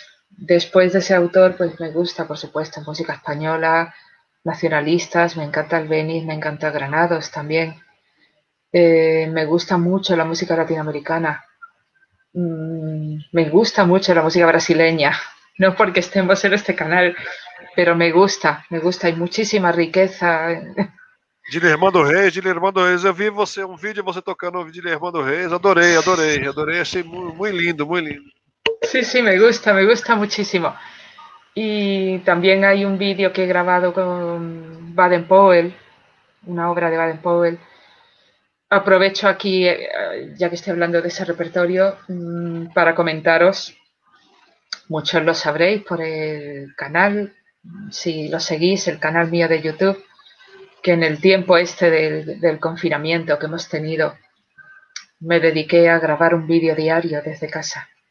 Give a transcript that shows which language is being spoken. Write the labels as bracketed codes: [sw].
[es] Después de ese autor, pues me gusta, por supuesto, música española, nacionalistas, me encanta Albéniz, me encanta Granados también. Me gusta mucho la música latinoamericana. Me gusta mucho la música brasileña. No porque estemos en este canal, pero me gusta. Hay muchísima riqueza. [pt] Gilermando Reis, eu vi você um vídeo você tocando o Gilermando Reis, adorei, achei muito lindo, muito lindo. [es] Sí, me gusta muchísimo. Y también hay un vídeo que he grabado con Baden Powell, una obra de Baden Powell. Aprovecho aquí, ya que estoy hablando de ese repertorio, para comentaros, muchos lo sabréis por el canal, si lo seguís, el canal mío de YouTube, que en el tiempo este del confinamiento que hemos tenido, me dediqué a grabar un vídeo diario desde casa.